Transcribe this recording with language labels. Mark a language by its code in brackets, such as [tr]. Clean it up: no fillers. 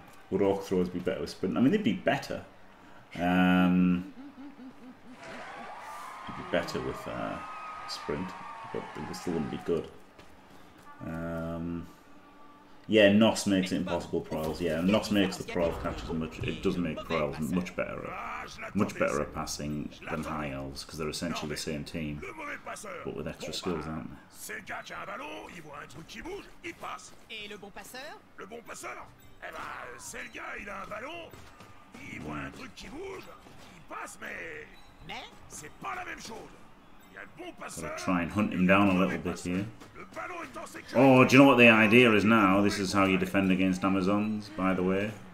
[en] Would orc throwers be better with sprint? I mean, they'd be better. They'd be better with sprint, but they still wouldn't be good. Yeah, Nos makes it impossible, Proyles. Yeah, Nos makes the Proyles catches much... It does make Proyles much better at passing than High Elves, because they're essentially the same team, but with extra skills, aren't they? [fr] C'est le gars qui a un ballon, il voit un truc qui bouge, il passe. Et le bon passeur? Le bon passeur? Eh ben, c'est le gars, il a un ballon, il voit un truc qui bouge, il passe, mais c'est pas la même chose. [en] Gotta try and hunt him down a little bit here. Oh, do you know what the idea is now? This is how you defend against Amazons, by the way.